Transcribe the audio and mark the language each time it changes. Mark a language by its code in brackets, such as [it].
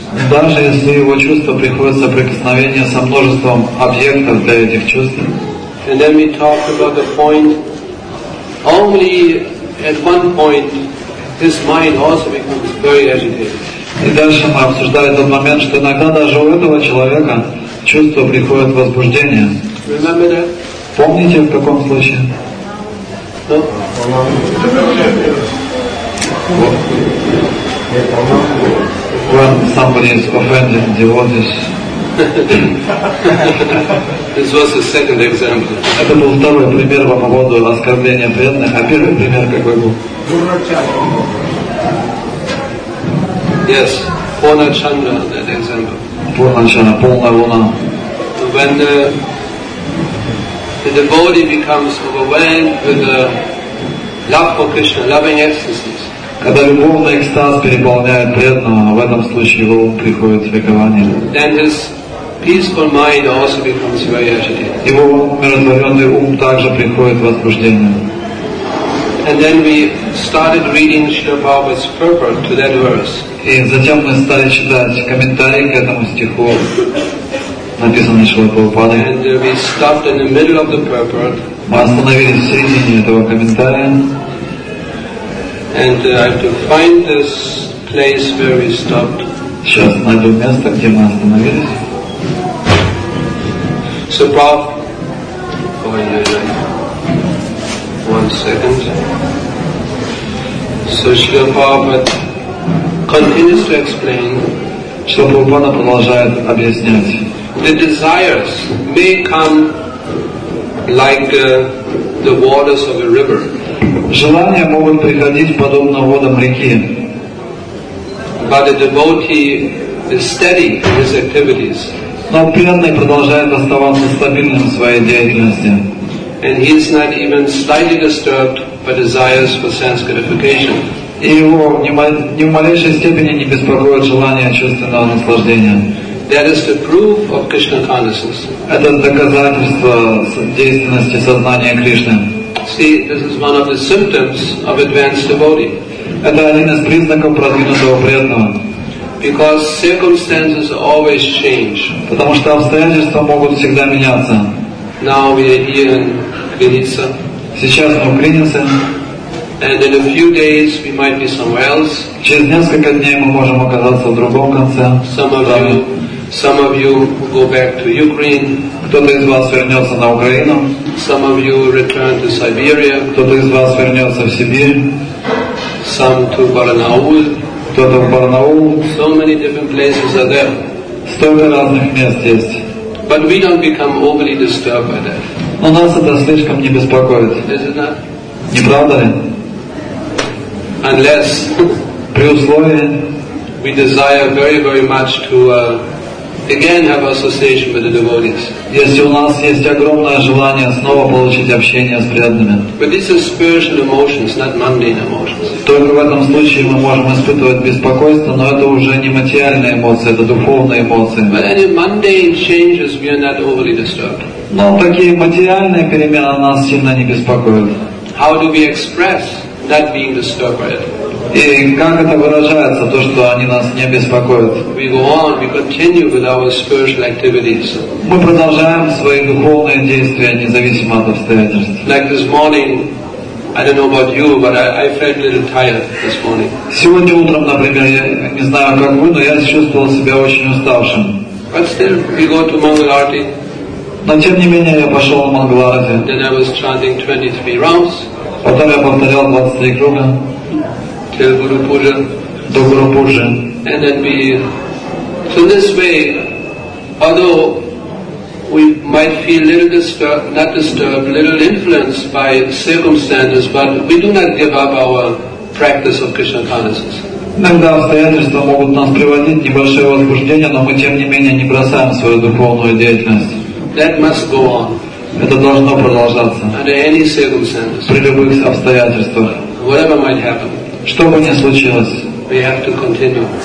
[ru] Даже если его чувства приходят в соприкосновение со множеством объектов для этих чувств. [en] And then we talked about the point, only at one point his mind also becomes very agitated. [ru] И дальше мы обсуждали тот момент, что иногда даже у этого человека чувства приходят в возбуждение. [en] Remember that? [ru] Помните, в каком случае? [en] When somebody is offended, devotees. This was the second example. [ru] Это был второй пример по поводу оскорбления преданных. А первый пример какой был? [en] Yes, Purna Chandra, that example. [ru] Purna Chandra, полная луна. [en] When the devotee becomes overwhelmed with the love for Krishna, loving ecstasy. [ru] Когда любовный экстаз переполняет преданного, в этом случае его ум приходит в ликование. Его умиротворенный ум также приходит в возбуждение. [en] And then we started reading Srila Prabhupada's purport to that verse. [ru] И затем мы стали читать комментарии к этому стиху, написанный Шрила Прабхупадой. [en] And we stopped in the middle of the purport. [ru] Мы остановились в середине этого комментария. [en] And I have to find this place where we stopped. [ru] Сейчас найду место, где мы остановились. [en] So Prabhupada, one second. So Srila Prabhupada continues to explain. [ru] Что Прабхупада продолжает объяснять. [en] The desires may come like the waters of a river. [ru] Желания могут приходить подобно водам реки. [en] But a devotee is steady in his activities. [ru] Но преданный продолжает оставаться стабильным в своей деятельности. [en] And he is not even slightly disturbed by desires for sense gratification. [ru] И его ни в малейшей степени не беспокоит желание чувственного наслаждения. [en] That is the proof of Krishna consciousness. [ru] Это доказательство деятельности сознания Кришны. [en] See, this is one of the symptoms of advanced devotee. [ru] Это один из признаков продвинутого преданного. [en] Because circumstances always change. [ru] Потому что обстоятельства могут всегда меняться. [en] Now we are here in Krinitsa. [ru] Сейчас мы в Кринице. [en] And in a few days we might be somewhere else. [ru] Через несколько дней мы можем оказаться в другом конце. [en] Some of you go back to Ukraine. [ru] Кто-то из вас вернется на Украину. [en] Some of you return to Siberia. [ru] Кто-то из вас вернется в Сибирь. [en] Some to Barnaul. [ru] Кто-то в Барнаул. [en] So many different places are there. [ru] Столько разных мест есть. [en] But we don't become overly disturbed by that. [ru] Но нас это слишком не беспокоит. [en] Is it not? [ru] Не правда ли? [en] Unless. [ru] При условии. [en] We desire very, very much to. Again, have association with the devotees. [ru] Если у нас есть огромное желание снова получить общение с преданными. [en] But these are spiritual emotions, not mundane emotions. [ru] Только в этом случае мы можем испытывать беспокойство, но это уже не материальные эмоции, это духовные эмоции. [en] But any mundane changes, we are not overly disturbed. [ru] Но такие материальные перемены нас сильно не беспокоят. [en] How do we express not being disturbed by it? [ru] И как это выражается, то, что они нас не беспокоят? [en] We go on, we continue with our spiritual activities. [ru] Мы продолжаем свои духовные действия, независимо от обстоятельств. [en] Like this morning, I don't know about you, but I felt a little tired this morning. [ru] Сегодня утром, например, я не знаю, как вы, но я чувствовал себя очень уставшим. [en] But still, we go to Mangalarti. [ru] Но тем не менее, я пошел на Мангаларти. [en] Then I was chanting 23 rounds. [ru] Потом я повторял 23 круга. [en] Till Guru Puja. [ru] До Guru Puja. [en] And then we. So this way, although we might feel a little disturbed, not disturbed, a little influenced by circumstances, but we do not give up our practice of Krishna consciousness. [ru] Иногда обстоятельства могут нас приводить небольшое возбуждение, но мы тем не менее не бросаем свою духовную деятельность. [en] That must go on. [ru] Это должно продолжаться. [en] Under any circumstances. [ru] При любых обстоятельствах. [en] Whatever might happen. [ru] Что бы ни случилось, [en] we have to continue.